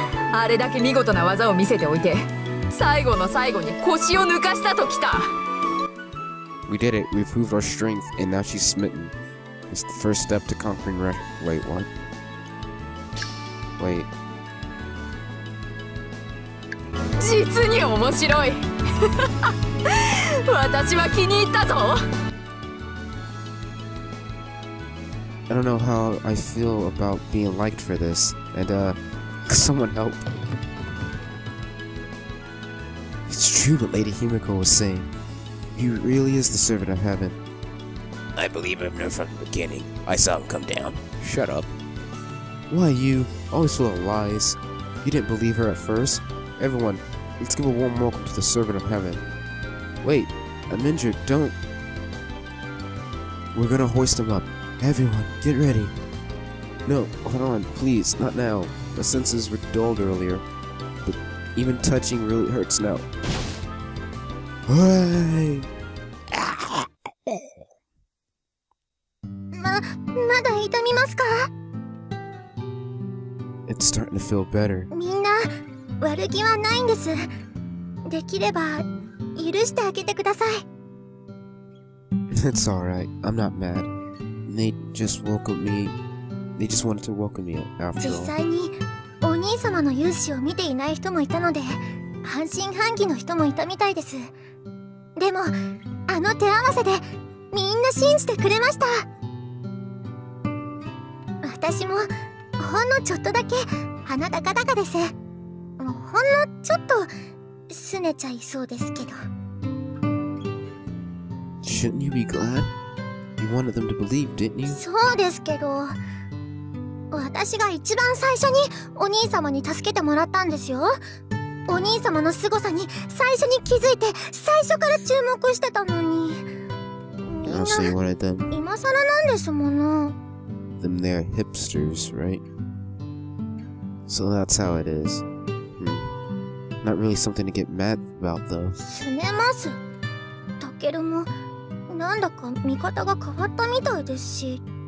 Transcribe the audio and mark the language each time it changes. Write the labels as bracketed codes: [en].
[ja] あれだけ見事な技を見せておいて、最後の最後に腰を抜かしたときた。 [en] We did it. We proved our strength, and now she's smitten. It's the first step to conquering Red. Wait, what? Wait. [ja] 実に面白い。私は気に入ったぞ。 [en] I don't know how I feel about being liked for this, and someone help. What Lady Himiko was saying. He really is the servant of heaven. I believe him from the beginning. I saw him come down. Shut up. Why, you? Always full of lies. You didn't believe her at first? Everyone, let's give a warm welcome to the servant of heaven. Wait, I'm injured, don't. We're gonna hoist him up. Everyone, get ready. No, hold on, please, not now. My senses were dulled earlier. But even touching really hurts now. Hey! [ja] まだ痛みますか? [en] It's starting to feel better. [ja] みんな、悪気はないんです。できれば、許してあげてください。 [en] It's alright. I'm not mad. They just wanted to welcome me after all. [ja] 実際に、お兄様の勇姿を見ていない人もいたので、半信半疑の人もいたみたいです。でも、あの手合わせで、みんな信じてくれました。私も、ほんのちょっとだけ、鼻高高です。ほんのちょっと、拗ねちゃいそうですけど。 [en] Shouldn't you be glad? You wanted them to believe, didn't you? [ja] そうですけど、私が一番最初にお兄様に助けてもらったんですよ。お兄様の凄さに最初に気づいて最初から注目してたのに。みんな、今更なんですもの。 [en] Them they're hipsters, right? So that's how it is. Not really something to get mad about, though. [ja] 拗ねます。タケルも、なんだか見方が変わったみたいですし。